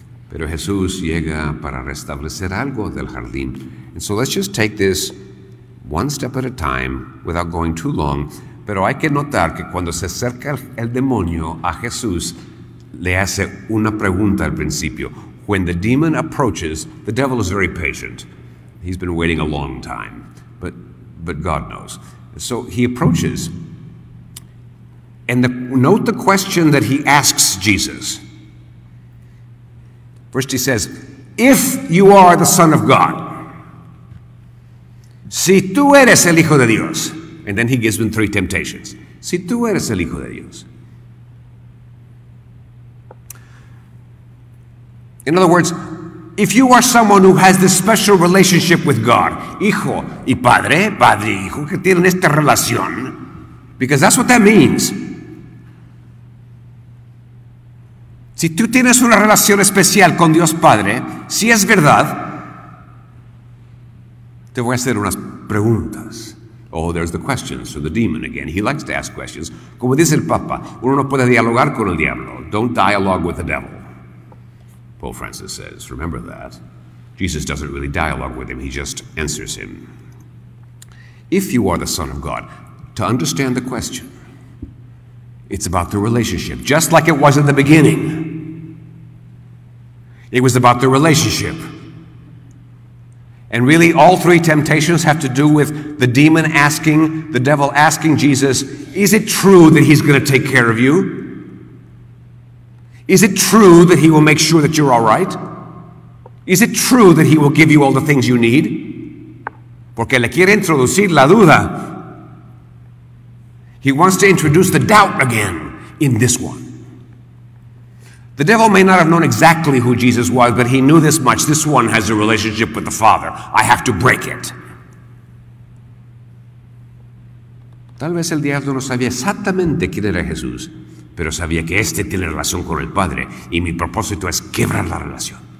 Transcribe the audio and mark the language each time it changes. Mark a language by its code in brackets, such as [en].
[es] Pero Jesús llega para restablecer algo del jardín. [en] And so let's just take this one step at a time without going too long. [es] Pero hay que notar que cuando se acerca el demonio a Jesús, le hace una pregunta al principio. [en] When the demon approaches, the devil is very patient. He's been waiting a long time. but God knows. So he approaches, and note the question that he asks Jesus. First he says, if you are the Son of God, [es] si tú eres el Hijo de Dios, [en] and then he gives them three temptations. [es] Si tú eres el Hijo de Dios. [en] In other words, if you are someone who has this special relationship with God, [es] Hijo y Padre, Padre y Hijo, que tienen esta relación, [en] because that's what that means. [es] Si tú tienes una relación especial con Dios Padre, si es verdad, te voy a hacer unas preguntas. [en] Oh, there's the questions from the demon again. He likes to ask questions. [es] Como dice el Papa, uno no puede dialogar con el diablo. [en] Don't dialogue with the devil, Pope Francis says. Remember that. Jesus doesn't really dialogue with him. He just answers him. If you are the Son of God, to understand the question, it's about the relationship, just like it was in the beginning. It was about the relationship. And really, all three temptations have to do with the demon asking, the devil asking Jesus, is it true that he's going to take care of you? Is it true that he will make sure that you're all right? Is it true that he will give you all the things you need? [es] Porque le quiere introducir la duda. [en] He wants to introduce the doubt again in this one. The devil may not have known exactly who Jesus was, but he knew this much. This one has a relationship with the Father. I have to break it. [es] Tal vez el diablo no sabía exactamente quién era Jesús, pero sabía que este tiene relación con el Padre, y mi propósito es quebrar la relación.